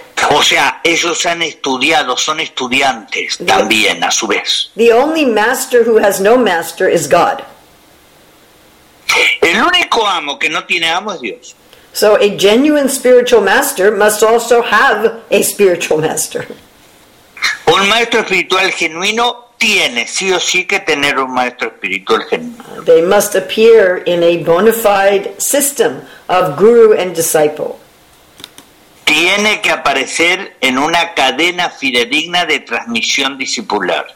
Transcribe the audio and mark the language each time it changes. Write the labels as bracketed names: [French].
[Spanish] O sea, ellos han estudiado, son estudiantes también a su vez. [English] The only master who has no master is God. [Spanish] El único amo que no tiene amo es Dios. [English] So a genuine spiritual master must also have a spiritual master. [Spanish] Un maestro espiritual genuino tiene sí o sí que tener un maestro espiritual genuino. [English] They must appear in a bona fide system of guru and disciple. [Spanish] Tiene que aparecer en una cadena fidedigna de transmisión discipular.